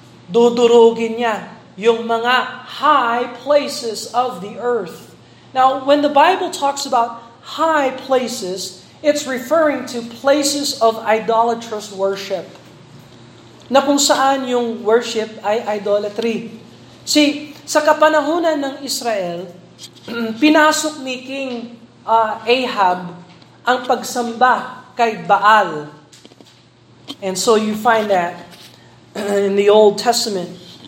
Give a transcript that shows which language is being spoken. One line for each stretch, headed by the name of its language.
Filipino: Dudurugin niya yung mga
English: high places of the earth. Now, when the Bible talks about high places, it's referring to places of idolatrous worship.
Filipino: Na kung saan yung worship ay idolatry. See, sa kapanahunan ng Israel, pinasok ni King Ahab ang pagsamba kay Baal.
English: And so you find that in the Old Testament.